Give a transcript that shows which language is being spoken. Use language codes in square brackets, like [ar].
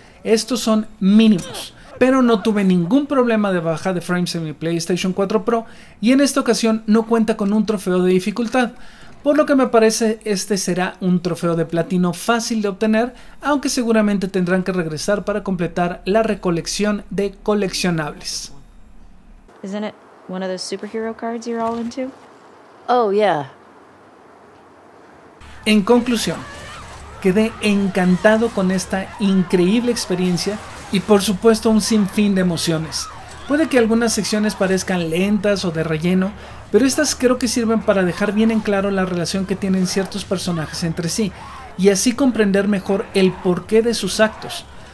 [es] Estos son mínimos, pero no tuve ningún problema de baja de frames en mi PlayStation 4 Pro y en esta ocasión no cuenta con un trofeo de dificultad. Por lo que me parece, este será un trofeo de platino fácil de obtener, aunque seguramente tendrán que regresar para completar la recolección de coleccionables. [en] Isn't it one of those superhero cards you're all into? Oh, yeah. [es] En conclusión, quedé encantado con esta increíble experiencia y por supuesto un sinfín de emociones. Puede que algunas secciones parezcan lentas o de relleno, pero estas creo que sirven para dejar bien en claro la relación que tienen ciertos personajes entre sí, y así comprender mejor el porqué de sus actos.